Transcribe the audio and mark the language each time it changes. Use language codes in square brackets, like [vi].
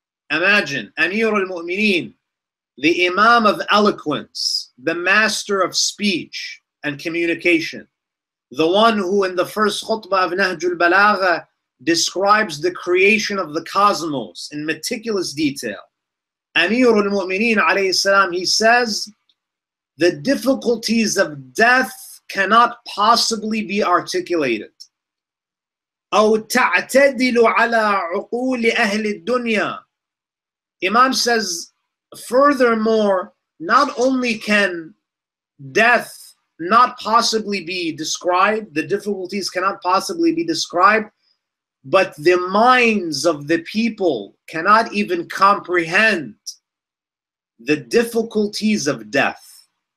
[en] Imagine Amir al-Mu'mineen, the Imam of eloquence, the master of speech and communication, the one who in the first khutbah of Nahjul Balagha describes the creation of the cosmos in meticulous detail. Amir al-Mu'mineen alayhi salam, he says, The difficulties of death cannot possibly be articulated. [ar] أو تعتدل على عقول أهل الدنيا. [en] Imam says, furthermore, not only can death not possibly be described, the difficulties cannot possibly be described, but the minds of the people cannot even comprehend the difficulties of death.